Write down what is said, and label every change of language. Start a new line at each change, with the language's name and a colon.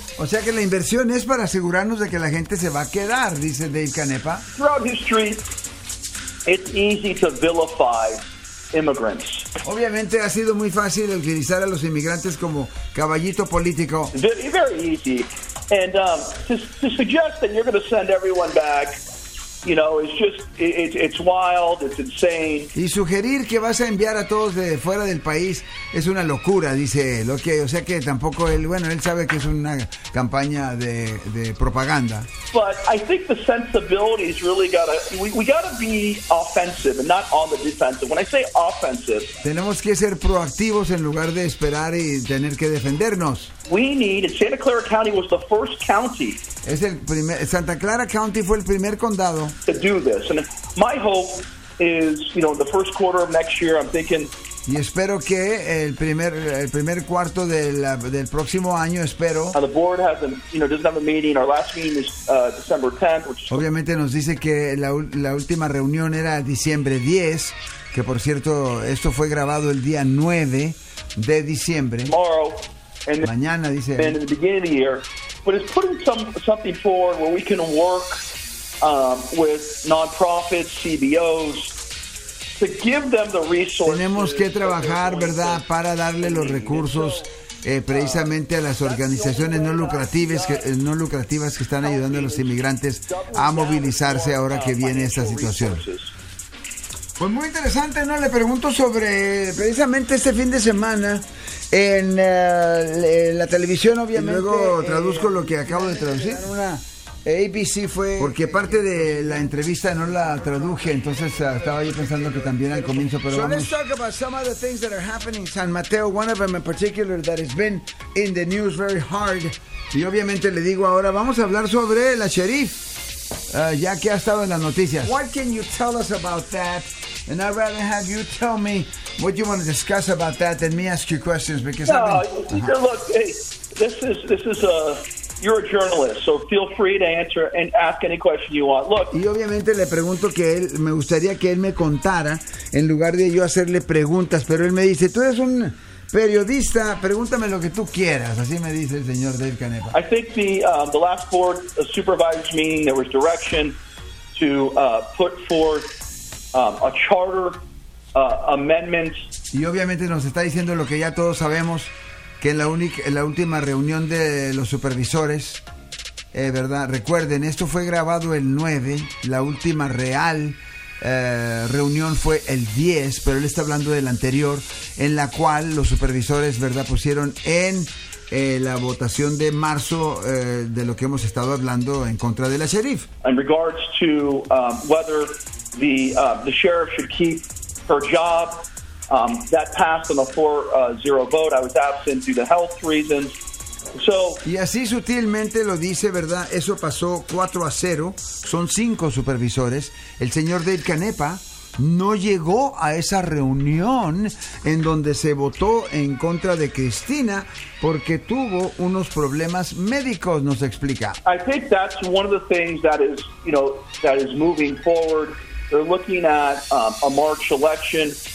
Spanish: o sea que la inversión es para asegurarnos de que la gente se va a quedar, dice Dave Canepa.
English: Throughout history, it's easy to vilify immigrants.
Spanish: Obviamente ha sido muy fácil utilizar a los inmigrantes como caballito político.
English: Very easy. And to suggest that you're going to send everyone back, you know, it's wild, it's insane.
Spanish: Y sugerir que vas a enviar a todos de fuera del país es una locura, dice él. Okay, o sea que tampoco él, bueno, él sabe que es una campaña de propaganda.
English: But I think the sensibility is really we gotta be offensive and not on the defensive. When I say offensive,
Spanish: tenemos que ser proactivos en lugar de esperar y tener que defendernos.
English: We need, and Santa Clara County was the first county.
Spanish: Es el primer, Santa Clara County fue el primer condado.
English: To do this. And my hope is, you know, the first quarter of next year, I'm thinking.
Spanish: Y espero que el primer cuarto del próximo año, espero.
English: The board has doesn't have a meeting. Our last meeting is December 10th. Which is
Spanish: obviamente nos dice que la última reunión era diciembre 10, que por cierto, esto fue grabado el día 9 de diciembre.
English: Tomorrow.
Spanish: And mañana, dice.
English: And in the beginning of the year, but it's putting something forward where we can work with nonprofits, CBOs, to give them the resources.
Spanish: Tenemos que trabajar, ¿verdad?, para darle los recursos precisamente a las organizaciones no lucrativas que están ayudando a los inmigrantes a movilizarse ahora que viene esta situación. Pues muy interesante, ¿no? Le pregunto sobre precisamente este fin de semana en la televisión, obviamente. Y luego traduzco lo que acabo de traducir. ABC fue. Porque parte de la entrevista no la traduje, entonces estaba yo pensando que también al comienzo, pero vamos.
English: So let's talk about some of the things that are happening in San Mateo. One of them in particular that has been in the news very hard.
Spanish: Y obviamente le digo ahora, vamos a hablar sobre la sheriff. Ya que ha estado en las noticias.
English: What can you tell us about that? And I'd rather have you tell me what you want to discuss about that than me ask you questions because I've been, uh-huh. Look, hey, this is you're a journalist, so feel free to answer and ask any question you want. Look,
Spanish: y obviamente le pregunto que él, me gustaría que él me contara en lugar de yo hacerle preguntas, pero él me dice, tú eres un periodista, pregúntame lo que tú quieras, así me dice el señor Dave Canepa.
English: I think the last board supervisors meeting there was direction to put forth a charter amendment.
Spanish: Y obviamente nos está diciendo lo que ya todos sabemos, que en la última reunión de los supervisores, ¿verdad? Recuerden, esto fue grabado el 9, la última real reunión fue el 10, pero él está hablando de la anterior, en la cual los supervisores, ¿verdad?, pusieron en la votación de marzo de lo que hemos estado hablando en contra de la sheriff.
English: In regards to whether the sheriff should keep her job, that passed on a 4-0 vote. I was absent due to health reasons. So,
Spanish: y así sutilmente lo dice, ¿verdad? Eso pasó 4-0. Son 5 supervisores. El señor Dave Canepa no llegó a esa reunión en donde se votó en contra de Cristina porque tuvo unos problemas médicos, nos explica.
English: I think that's one of the things that is, that is moving forward. They're looking at a March election.